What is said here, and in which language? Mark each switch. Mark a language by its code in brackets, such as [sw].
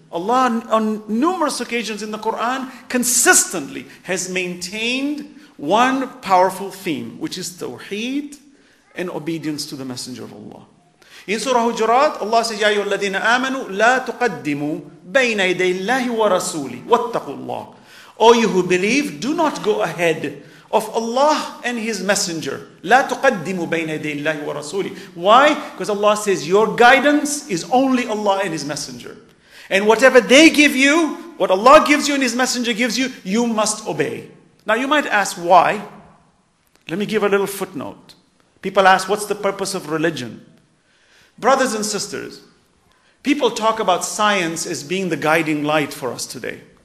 [en] Allah on numerous occasions in the Quran consistently has maintained one powerful theme, which is tawheed and obedience to the Messenger of Allah. In Surah Hujurat, Allah says, [ar] يَا أَيُّهَا الَّذِينَ آمَنُوا لَا تُقَدِّمُوا بَيْنَ يَدَيِ اللَّهِ وَرَسُولِهِ وَاتَّقُوا اللَّهِ [en] O you who believe, do not go ahead of Allah and His Messenger. [ar] لا تقدموا بين يدي الله ورسوله. [en] Why? Because Allah says, your guidance is only Allah and His Messenger. And whatever they give you, what Allah gives you and His Messenger gives you, you must obey. Now you might ask, why? Let me give a little footnote. People ask, what's the purpose of religion? Brothers and sisters, people talk about science as being the guiding light for us today.